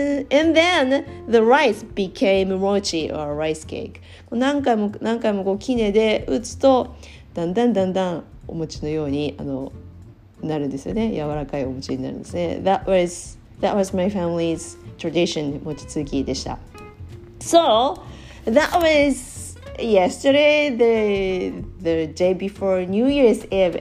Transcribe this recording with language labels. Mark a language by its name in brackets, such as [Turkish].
[English] And then the rice became mochi or rice cake. [Japanese] 何回もこうキネで打つとだんだんだんだんお餅のようにあのなるんですよね。柔らかいお餅になるんですね。 [English] That was my family's tradition, [Japanese] 餅つきでした。 [English] So that was yesterday, the day before New Year's Eve.